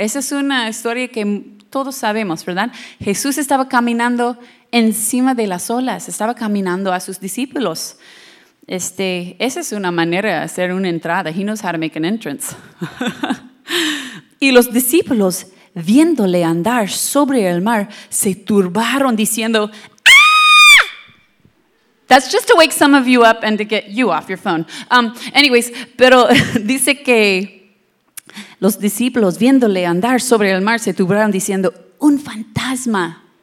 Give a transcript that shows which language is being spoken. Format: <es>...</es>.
<es>Esa es una historia que todos sabemos, ¿verdad? Jesús estaba caminando encima de las olas, estaba caminando a sus discípulos. Esa es una manera de hacer una entrada.</es> <en>He knows how to make an entrance.</en> <es>Y los discípulos, viéndole andar sobre el mar, se turbaron diciendo...</es> <en>That's just to wake some of you up and to get you off your phone.</en> <es>Pero dice que los discípulos viéndole andar sobre el mar se turbaron diciendo, un fantasma.</es>